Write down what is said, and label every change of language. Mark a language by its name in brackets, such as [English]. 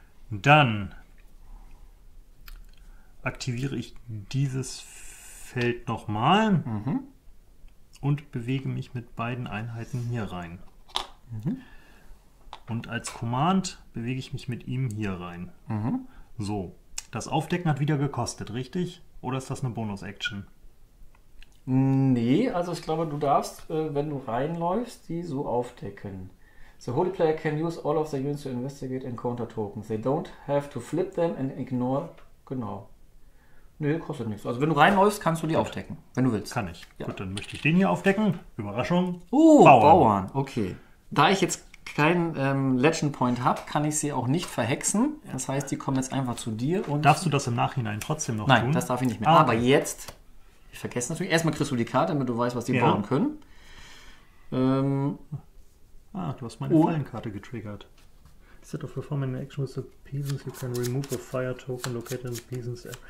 [German] Dann aktiviere ich dieses Feld nochmal und bewege mich mit beiden Einheiten hier rein. Mhm. Und als Command bewege ich mich mit ihm hier rein. Mhm. So. Das Aufdecken hat wieder gekostet, richtig? Oder ist das eine Bonus-Action? Nee, also ich glaube, du darfst, wenn du reinläufst, die so aufdecken. [English] The Holy Player can use all of the units to investigate encounter tokens. They don't have to flip them and ignore... [German] Genau. Nee, kostet nichts. Also wenn du reinläufst, kannst du die aufdecken, wenn du willst. Kann ich. Ja. Gut, dann möchte ich den hier aufdecken. Überraschung. Bauern. Okay. Da ich jetzt... keinen Legend Point habe, kann ich sie auch nicht verhexen. Das heißt, die kommen jetzt einfach zu dir. Und darfst du das im Nachhinein trotzdem noch Nein, tun? Nein, das darf ich nicht mehr. Ah, aber okay. Jetzt, ich vergesse natürlich, erstmal kriegst du die Karte, damit du weißt, was die bauen können. Du hast meine Fallenkarte getriggert. [English] Set of performing action with the pieces, you can remove a fire token located in the pieces.